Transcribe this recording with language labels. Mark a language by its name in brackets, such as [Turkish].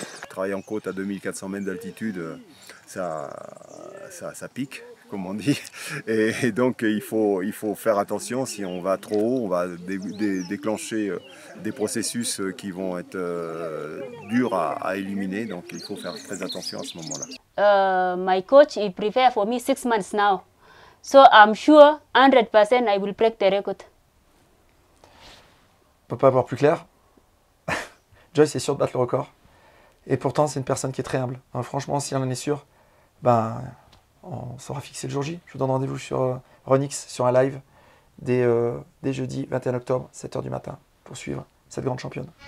[French] Travailler en côte à 2400 mètres d'altitude, ça pique, comme on dit. Et donc, il faut faire attention. Si on va trop haut, on va déclencher des processus qui vont être durs à éliminer. Donc, il faut faire très attention à ce moment-là. [English] My coach, he prepare for me 6 months now. So I'm sure 100% I will break the record. [French] Peut pas avoir plus clair. Joyce est sûre de battre le record. Et pourtant, c'est une personne qui est très humble. Hein, franchement, si elle en est sûre, ben, on saura fixer le jour J. Je vous donne rendez-vous sur Ronix, sur un live, dès jeudi 21 octobre, 7h du matin, pour suivre cette grande championne.